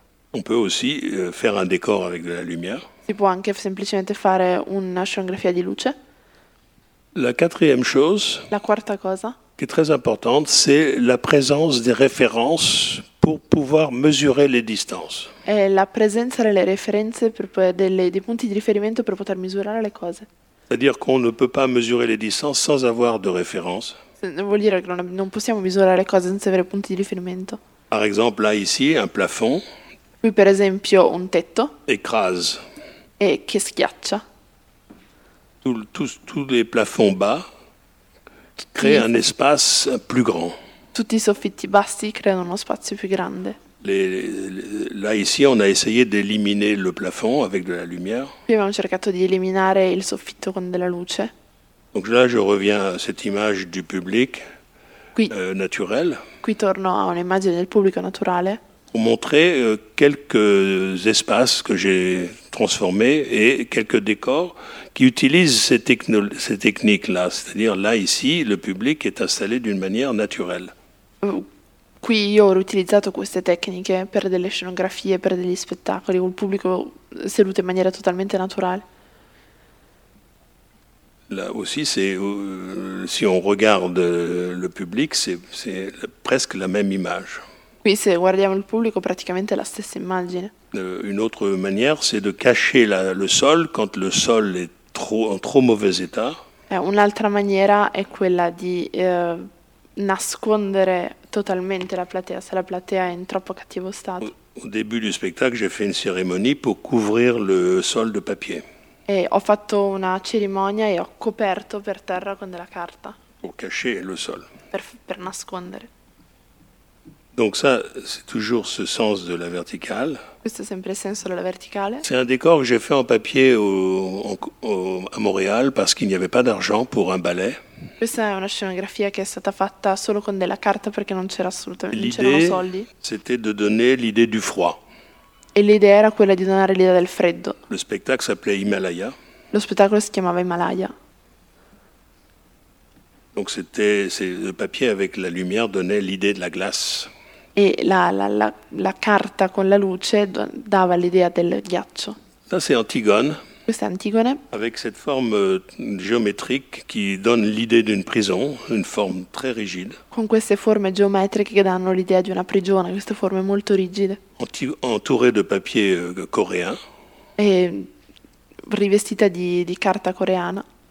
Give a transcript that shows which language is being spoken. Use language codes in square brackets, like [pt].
[fr] On peut aussi faire un décor avec de la lumière. [it] Si può anche semplicemente fare una scenografia di luce. [fr] La quatrième chose. [it] La quarta cosa. [fr] Qui est très importante, c'est la présence des références pour pouvoir mesurer les distances. [it] È la presenza delle referenze dei punti di riferimento per poter misurare le cose. [fr] C'est-à-dire qu'on ne peut pas mesurer les distances sans avoir de référence. [it] Vuol dire che non possiamo misurare le cose senza avere punti di riferimento. [fr] Par exemple, là ici, un plafond. [it] Qui per esempio un tetto. [fr] Écrase. [it] E che schiaccia. [fr] Tous les plafonds bas créent un espace plus grand. [it] Tutti i soffitti bassi creano uno spazio più grande. [fr] Là ici, on a essayé d'éliminer le plafond avec de la lumière. [it] Qui abbiamo cercato di eliminare il soffitto con della luce. [fr] Donc là, je reviens à cette image du public naturel. [it] Qui torno a un'immagine del pubblico naturale. [fr] Pour montrer quelques espaces que j'ai transformés et quelques décors qui utilisent ces techniques-là. C'est-à-dire là, ici, le public est installé d'une manière naturelle. [it] Qui io ho riutilizzato queste tecniche per delle scenografie, per degli spettacoli, con il pubblico seduto in maniera totalmente naturale. [fr] Là aussi, c'est si on regarde le public, c'est presque la même image. [it] Qui se guardiamo il pubblico, praticamente è la stessa immagine. [fr] Une autre manière, c'est de cacher le sol quand le sol est en trop mauvais état. [it] Un'altra maniera è quella di nascondere totalmente la platea, se la platea è in troppo cattivo stato. [fr] Au début du spectacle, j'ai fait une cérémonie pour couvrir le sol de papier. [it] E ho fatto una cerimonia e ho coperto per terra con della carta per [fr] Pour cacher le sol. [it] nascondere. [fr] Donc ça, c'est toujours ce sens de la verticale. [it] Questo è sempre il senso della verticale. [fr] C'est un décor que j'ai fait en papier à Montréal parce qu'il n'y avait pas d'argent pour un ballet. [it] Questa è una scenografia che è stata fatta solo con della carta perché non c'era assolutamente, non c'erano [fr] L'idée, [it] soldi. E [fr] c'était de donner l'idée du froid. [it] l'idea era quella di donare l'idea del freddo. [fr] Le spectacle s'appelait Himalaya. [it] Lo spettacolo si chiamava Himalaya. [fr] Donc c'était le papier avec la lumière donnait l'idée de la glace. [it] E la carta con la luce dava l'idea del ghiaccio. [fr] Ça, c'est Antigone, [it] Questa è Antigone. [fr] avec cette forme géométrique qui donne l'idée d'une prison, une forme très rigide. [it] Con queste forme geometriche che danno l'idea di una prigione, queste forme molto rigide. [fr] Entourée de papier coréen. [it] E rivestita di carta coreana.